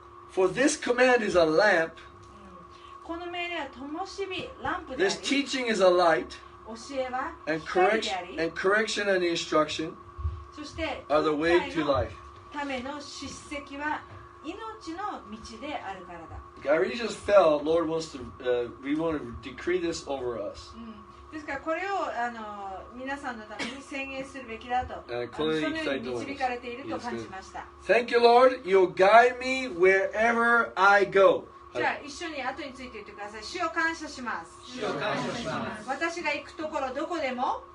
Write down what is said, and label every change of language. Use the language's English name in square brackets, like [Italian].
[English] For this command is a lamp. [Japanese] この命令は灯火、ランプであり。 [English] This teaching is a light. [Japanese] 教えは光であり。 [English] And correction and instruction [Japanese] そして、 [English] are the way to life. [Japanese] ための叱責は命の道であるからだ。 [English] I really just felt Lord wants to, we want to decree this over us. [Japanese] ですからこれを皆さんのために宣言するべきだと、そのように導かれていると感じました。 [English] Thank you, Lord. You'll guide me wherever I go. [Japanese] じゃあ一緒に後について言ってください。主を感謝します。主を感謝します。私が行くところどこでも、